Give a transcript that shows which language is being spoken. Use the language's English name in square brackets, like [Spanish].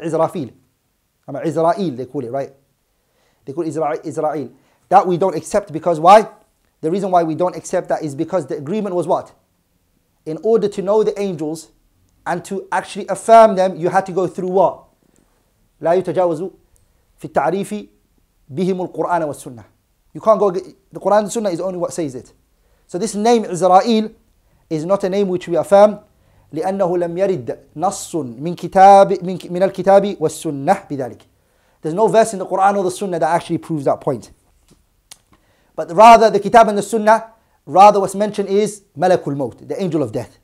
[English] Izrafil. I mean, Izrael, they call it, right? They call it Izrael. That we don't accept because why? The reason why we don't accept that is because the agreement was what? In order to know the angels and to actually affirm them, you had to go through what? [Arabic] لا يتجاوزوا في التعريف بهم القرآن والسنة. [English] You can't go, the Quran and the Sunnah is only what says it. So this name Israel is not a name which we affirm. [Arabic] لِأَنَّهُ لَمْ يَرِدْ نَصٌ مِنْ كِتَابِ مِنَ الْكِتَابِ وَالسُّنَّةِ بِذَلِكِ. [English] There's no verse in the Quran or the Sunnah that actually proves that point. But rather the Kitab and the Sunnah, rather what's mentioned is Malakul Maut, the angel of death.